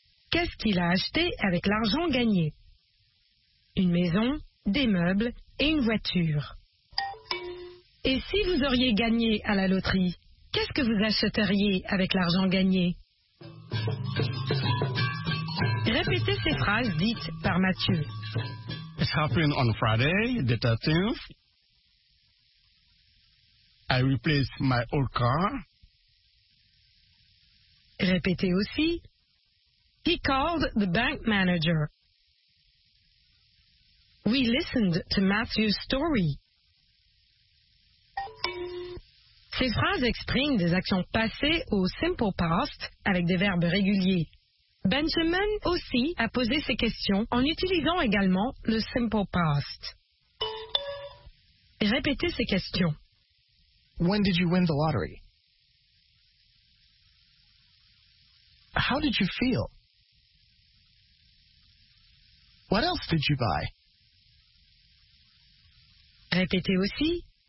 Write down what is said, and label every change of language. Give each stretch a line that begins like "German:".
French: Qu'est-ce qu'il a acheté avec l'argent gagné? Une maison, des meubles et une voiture. Et si vous auriez gagné à la loterie, qu'est-ce que vous achèteriez avec l'argent gagné? Répétez ces phrases dites par Mathieu.
English: It's happening on Friday, the 13th. I replace my old car.
French: Répétez aussi.
English: He called the bank manager. We listened to Matthew's story.
French: Ces phrases expriment des actions passées au simple past avec des verbes réguliers. Benjamin aussi a posé ces questions en utilisant également le simple past. Répétez ces questions.
English: When did you win the lottery? How did you feel? What else did you buy?
French: Répétez aussi.